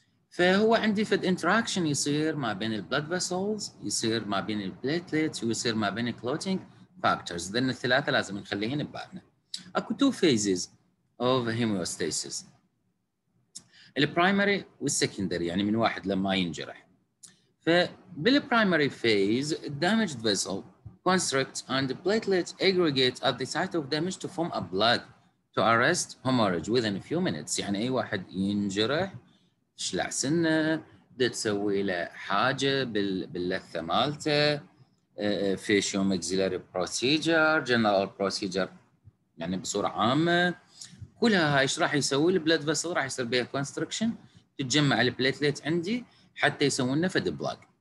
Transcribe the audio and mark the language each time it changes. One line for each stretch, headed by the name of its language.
Arabic: فهو عندي فد انتراكشن يصير ما بين البلد فيسلز، يصير ما بين البليتليتس، ويصير ما بين الكلوتينج فاكتورز، ذن الثلاثة لازم نخليهن ببالنا. اكو تو فيزز اوف هيموستاسيس، البرايمري والسكندري، يعني من واحد لما ينجرح.
English: فبالبرايمري فيز الدامجد vessel constrict and the platelet aggregate at the site of damage to form a blood to arrest hemorrhage within a few minutes.
Arabic: يعني أي واحد ينجرح شلع سنة ده تسوي له حاجة باللثة مالته،
English: facial maxillary procedure, general procedure
Arabic: يعني بصورة عامة، كلها هاي ايش راح يسوي البلد vessel؟ راح يصير بيها constriction، تتجمع البلاتليت عندي حتى يسوي لنا فد بلاك.